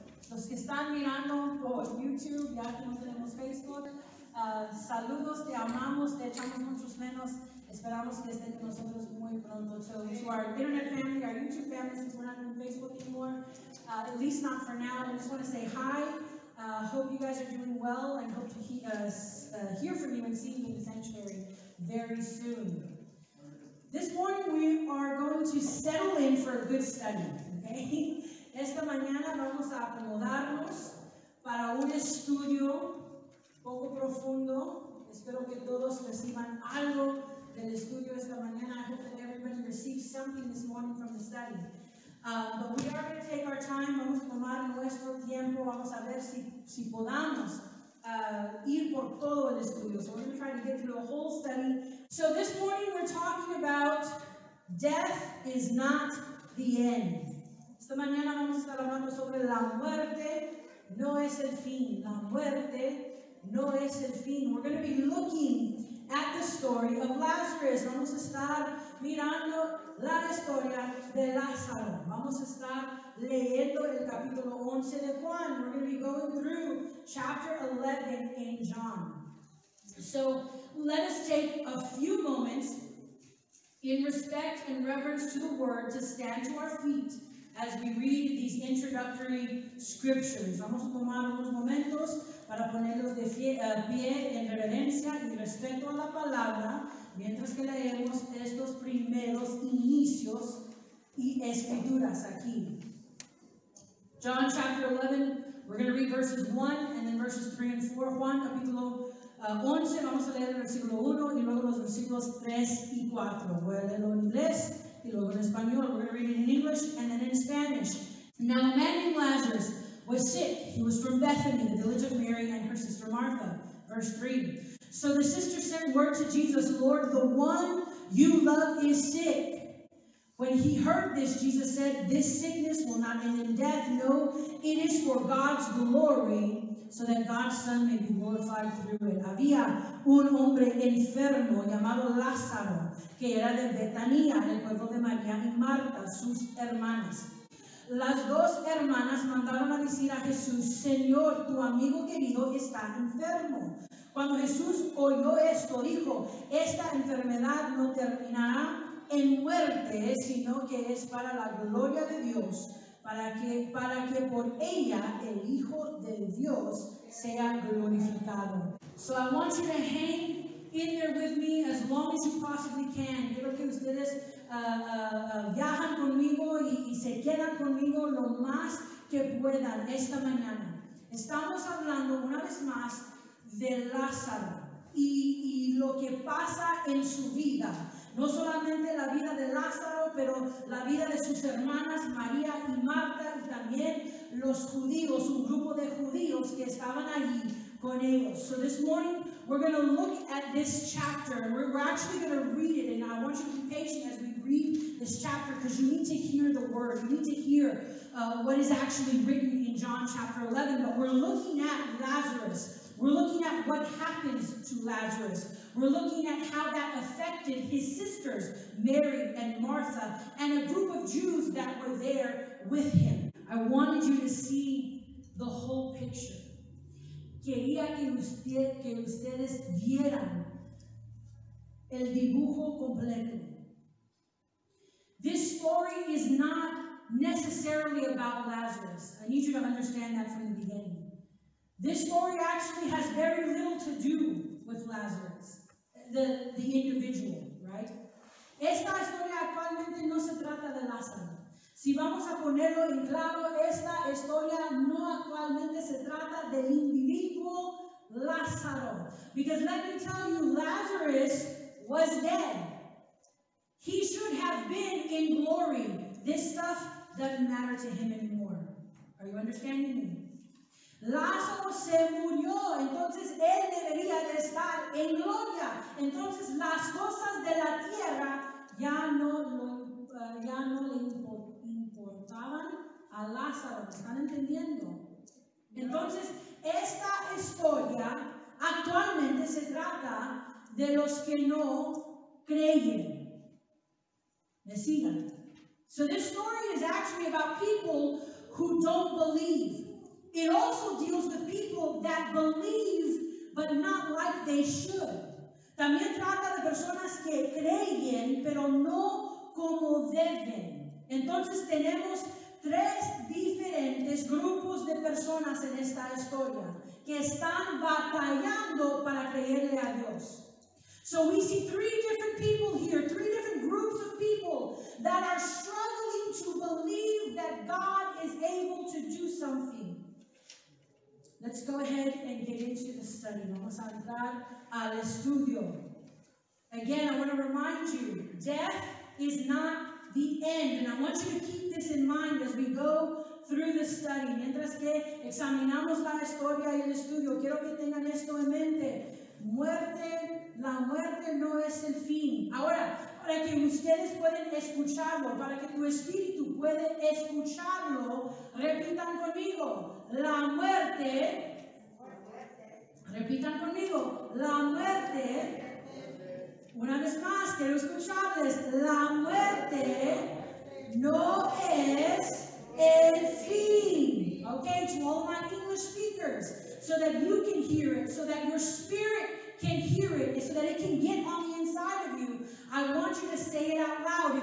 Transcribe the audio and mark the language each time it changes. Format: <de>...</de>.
<es>los que están mirando por YouTube, ya que no tenemos Facebook, saludos, te amamos, te echamos muchos menos. Esperamos que estén con nosotros muy pronto.</es> <en>So to our internet family, our YouTube family, since we're not on Facebook anymore, at least not for now, I just want to say hi. Hope you guys are doing well, and hope to hear from you and see you in the sanctuary very soon. This morning we are going to settle in for a good study, okay?</en> <es>Esta mañana vamos a acomodarnos para un estudio poco profundo. Espero que todos reciban algo del estudio esta mañana.</es> <en>I hope that everybody receives something this morning from the study. But we are going to take our time,</en> <es>vamos a tomar nuestro tiempo, vamos a ver si podamos ir por todo el estudio.</es> <en>So we're going to try to get through a whole study. So this morning we're talking about death is not the end.</en> <es>Esta mañana vamos a estar hablando sobre la muerte no es el fin. La muerte no es el fin.</es> <en>We're going to be looking at the story of Lazarus.</en> <es>Vamos a estar mirando la historia de Lázaro. Vamos a estar leyendo el capítulo 11 de Juan.</es> <en>We're going to be going through chapter 11 in John. So let us take a few moments in respect and reverence to the word to stand to our feet as we read these introductory scriptures.</en> <es>Vamos a tomar unos momentos para ponerlos de pie en reverencia y respeto a la palabra mientras que leemos estos primeros inicios y escrituras aquí.</es> <en>John chapter 11, we're going to read verses 1 and then verses 3 and 4.</en> <es>Juan capítulo 11, vamos a leer el versículo 1 y luego los versículos 3 y 4. Voy a leerlo en inglés y luego en español.</es> <en>We're going to read it in English and then in Spanish. Now a man named Lazarus was sick. He was from Bethany, the village of Mary and her sister Martha. Verse 3. So the sister sent word to Jesus, Lord, the one you love is sick. When he heard this, Jesus said, this sickness will not end in death. No, it is for God's glory, so that God's Son may be glorified through it.</en> <es>Había un hombre enfermo llamado Lázaro, que era de Betania, del pueblo de María y Marta, sus hermanas. Las dos hermanas mandaron a decir a Jesús, Señor, tu amigo querido está enfermo. Cuando Jesús oyó esto, dijo, esta enfermedad no terminará en muerte, sino que es para la gloria de Dios, para que por ella el Hijo de Dios sea glorificado.</es> <en>So I want you to hang in there with me as long as you possibly can.</en> <es>Quiero que ustedes viajan conmigo y se quedan conmigo lo más que puedan esta mañana. Estamos hablando una vez más de Lázaro y lo que pasa en su vida. No solamente la vida de Lázaro, pero la vida de sus hermanas María y Marta y también los judíos, un grupo de judíos que estaban allí con ellos.</es> <en>So this morning we're going to look at this chapter and we're actually going to read it, and I want you to be patient as we read this chapter because you need to hear the word. You need to hear what is actually written in John chapter 11. But we're looking at Lazarus. We're looking at what happens to Lazarus. We're looking at how that affected his sisters, Mary and Martha, and a group of Jews that were there with him. I wanted you to see the whole picture.</en> <es>Quería que ustedes vieran el dibujo completo.</es> <en>This story is not necessarily about Lazarus. I need you to understand that from the beginning. This story actually has very little to do with Lazarus, the individual, right?</en> <es>Esta historia actualmente no se trata de Lázaro. Si vamos a ponerlo en claro, esta historia no actualmente se trata del individuo Lázaro.</es> <en>Because let me tell you, Lazarus was dead. He should have been in glory. This stuff doesn't matter to him anymore. Are you understanding me?</en> <es>Lázaro se murió, entonces él debería de estar en gloria. Entonces las cosas de la tierra ya no le importaban a Lázaro. ¿Están entendiendo? Entonces esta historia actualmente se trata de los que no creen. ¿Me siguen?</es> <en>So this story is actually about people who don't believe. deals with people that believe but not like they should.</en> <es>También trata de personas que creen, pero no como deben. Entonces tenemos tres diferentes grupos de personas en esta historia que están batallando para creerle a Dios.</es> <en>So we see three different people here, three different groups of people that are struggling to believe that God is able to do something. Let's go ahead and get into the study.</en> <es>Vamos a entrar al estudio.</es> <en>Again, I want to remind you, death is not the end. And I want you to keep this in mind as we go through the study.</en> <es>Mientras que examinamos la historia y el estudio, quiero que tengan esto en mente. Muerte, la muerte no es el fin. Ahora, para que ustedes puedan escucharlo, para que tu espíritu pueda escucharlo, repitan conmigo. La muerte, repitan conmigo, la muerte, una vez más, quiero escucharles, la muerte no es el fin.</es> <en>Okay, to all my English speakers, so that you can hear it, so that your spirit can hear it, so that it can get on the inside of you, I want you to say it out loud.</en>